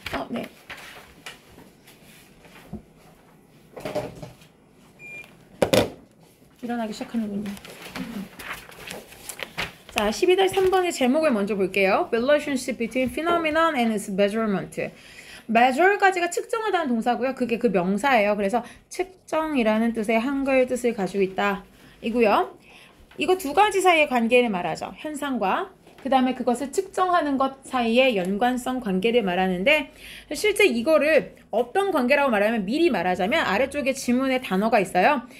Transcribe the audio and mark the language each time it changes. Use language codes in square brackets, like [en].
[ko] 네. 일어나기 시작하는군요. 자, 12달 3번의 제목을 먼저 볼게요. [en] Relationship between phenomenon and its measurement. [ko] measure까지가 측정하다는 동사고요. 그게 그 명사예요. 그래서 측정이라는 뜻의 한글 뜻을 가지고 있다. 이고요. 이거 두 가지 사이의 관계를 말하죠. 현상과 그 다음에 그것을 측정하는 것 사이의 연관성 관계를 말하는데, 실제 이거를 어떤 관계라고 말하면, 미리 말하자면 아래쪽에 지문에 단어가 있어요.